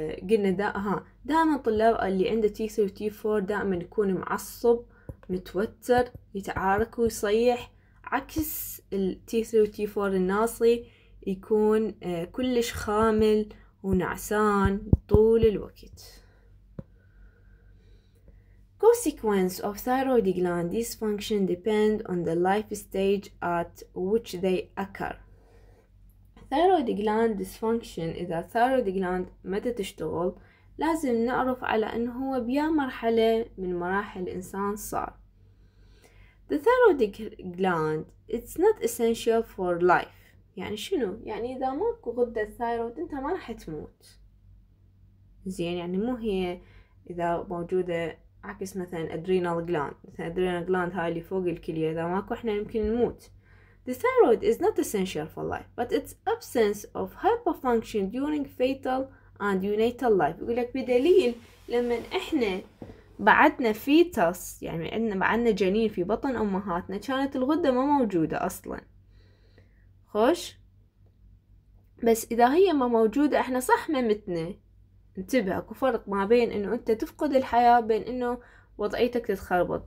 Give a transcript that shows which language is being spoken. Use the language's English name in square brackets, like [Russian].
[Arabic] قلنا دائما الطلاب اللي عنده T3 و T4 دائما يكون معصب متوتر يتعارك ويصيح، عكس ال T3 و T4 الناصي يكون كلش خامل ونعسان طول الوقت. [English] Consequence of thyroid gland dysfunction depend on the life stage at which they occur. [Arabic] Thyroid gland dysfunction، إذا thyroid gland ما تشتغل لازم نعرف على أنه هو بيا مرحلة من مراحل الإنسان صار. [English] The thyroid gland it's not essential for life. [Arabic] يعني شنو؟ يعني إذا ماكو غدة الثايرويد أنت ما راح تموت. زين، يعني مو هي إذا موجودة، عكس مثلا ادرينال جلاند، مثلا ادرينال جلاند هاي اللي فوق الكليه، اذا ماكو احنا يمكن نموت. [English] The thyroid is not essential for life but its absence of hyperfunction during fetal and neonatal life. [Arabic] يقول لك بدليل لما احنا بعدنا فيتاس، يعني عندنا بعدنا جنين في بطن امهاتنا، كانت الغده ما موجوده اصلا. خوش، بس اذا هي ما موجوده احنا صح ما متنا. انتبه اكو فرق ما بين انه انت تفقد الحياة بين انه وضعيتك تتخربط.